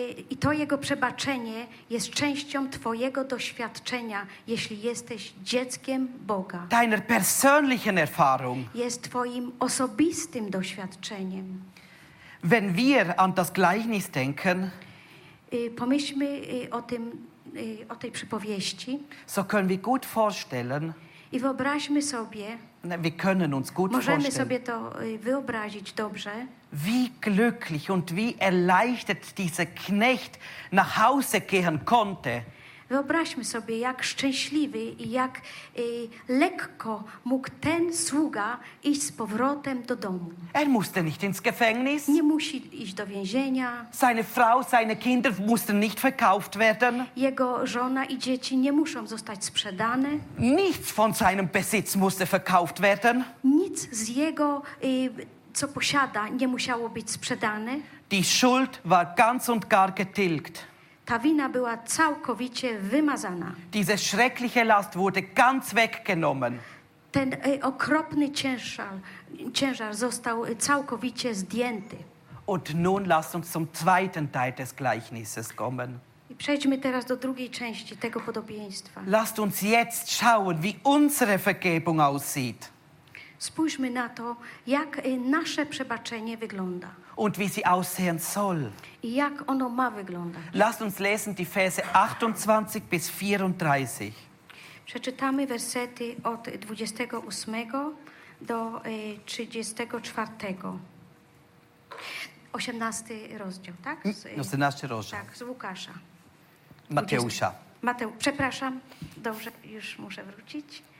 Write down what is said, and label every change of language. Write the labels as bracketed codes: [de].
[pl] I to jego przebaczenie jest częścią twojego doświadczenia, jeśli jesteś dzieckiem Boga. [de] Deiner persönlichen Erfahrung. [pl] Jest twoim osobistym doświadczeniem. [de] Wenn wir an das Gleichnis denken, [pl] pomyślmy o tym, o tej przypowieści. [de] So können wir gut vorstellen. [pl] I wyobraźmy sobie. [de] Wir können uns gut [pl] możemy [de] vorstellen. [pl] Sobie to wyobrazić dobrze. [de] Wie glücklich und wie erleichtert dieser Knecht nach Hause gehen konnte. [pl] Wyobraźmy sobie, jak szczęśliwy i jak lekko mógł ten sługa iść z powrotem do domu. [de] Er musste nicht ins Gefängnis. [pl] Nie musi iść do więzienia. [de] Seine Frau, seine Kinder mussten nicht verkauft werden. [pl] Jego żona i dzieci nie muszą zostać sprzedane. [de] Nichts von seinem Besitz musste verkauft werden. [pl] Nic z jego, co posiada, nie musiało być sprzedane. [de] Die Schuld war ganz und gar getilgt. [pl] Ta wina była całkowicie wymazana. [de] Diese schreckliche Last wurde ganz weggenommen. [pl] Ten okropny ciężar został całkowicie zdjęty. [de] Und nun lasst uns zum zweiten Teil des Gleichnisses kommen. [pl] I przejdźmy teraz do drugiej części tego podobieństwa. [de] Lasst uns jetzt schauen, wie unsere Vergebung aussieht. [pl] Spójrzmy na to, jak nasze przebaczenie wygląda. [de] Und wie sie aussehen soll. [pl] I jak ono ma wyglądać. [de] Lasst uns lesen die Verse 28 bis 34. [pl] Przeczytamy wersety od 28 do 34. 18 rozdział, tak? Z, 18 rozdział. Tak, z Łukasza. Mateusza. Przepraszam, dobrze, już muszę wrócić.